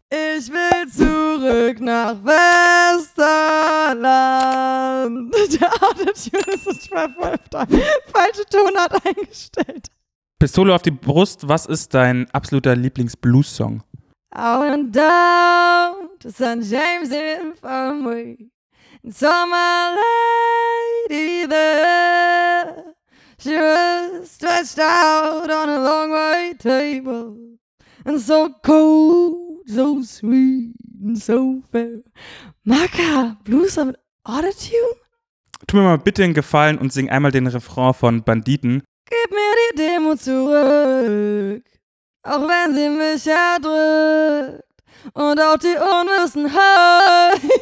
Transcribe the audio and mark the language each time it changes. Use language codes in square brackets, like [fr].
[de] Ich will zurück nach Westerland. Der Autotune ist das Schwerfäufte. Falsche Tonart eingestellt. Pistole auf die Brust, was ist dein absoluter Lieblings-Blues-Song? [en] I went down to St. James Infirmary and saw my lady there. She was stretched out on a long white table and so cold, so sweet and so fair. [de] Maka, Blues mit Autotune? Tu mir mal bitte einen Gefallen und sing einmal den Refrain von Banditen. Gib mir die Demo zurück, auch wenn sie mich erdrückt und auch die Unwissenheit.